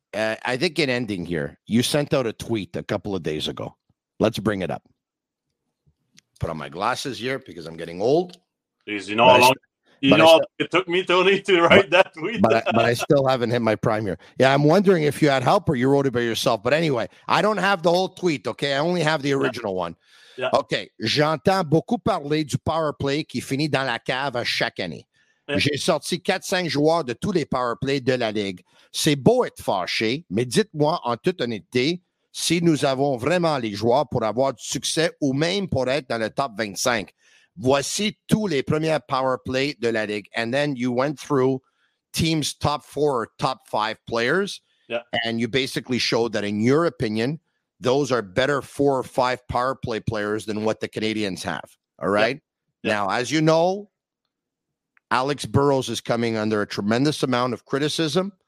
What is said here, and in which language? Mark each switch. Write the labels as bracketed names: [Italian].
[English] I think in ending here, you sent out a tweet a couple of days ago. Let's bring it up. Put on my glasses here because I'm getting old. Jeez, you know, it took me, Tony, to write that tweet. But I still haven't hit my prime here. Yeah, I'm wondering if you had help or you wrote it by yourself. But anyway, I don't have the whole tweet, okay? I only have the original one. Yeah. Okay. [French] J'entends beaucoup parler du power play qui finit dans la cave à chaque année. J'ai sorti 4-5 joueurs de tous les power plays de la Ligue. C'est beau être fâché, mais dites-moi en toute honnêteté si nous avons vraiment les joueurs pour avoir du succès ou même pour être dans le top 25. Voici tous les premiers power plays de la Ligue. [English] And then you went through teams top 4 or top 5 players. Yeah. And you basically showed that in your opinion, those are better 4 or 5 power play players than what the Canadians have. All right? Yeah. Now, as you know, Alex Burrows is coming under a tremendous amount of criticism.